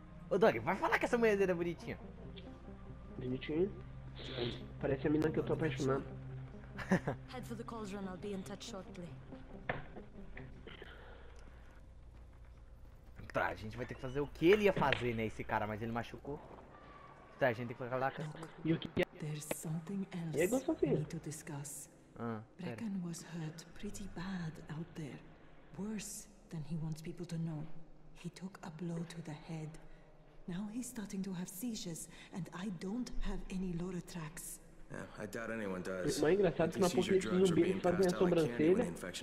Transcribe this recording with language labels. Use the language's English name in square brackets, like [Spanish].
[Portuguese] Ô, Doug, vai falar que essa mulherzinha é bonitinha. Bonitinha? Parece a menina que eu tô apaixonando. [English] Head for the cauldron, I'll be in touch shortly. [Portuguese] Tá, a gente vai ter que fazer o que ele ia fazer, né, esse cara, mas ele machucou. Tá, a gente tem que ficar lá com essa... [English] There's something else we need to discuss. Brecken was hurt pretty bad out there. Worse than he wants people to know. He took a blow to the head. Now he's starting to have seizures, and I don't have any Loratrax. Yeah, I doubt anyone does. [Portuguese] Mas é engraçado que uma porra de zumbi faz minha sobrancelha.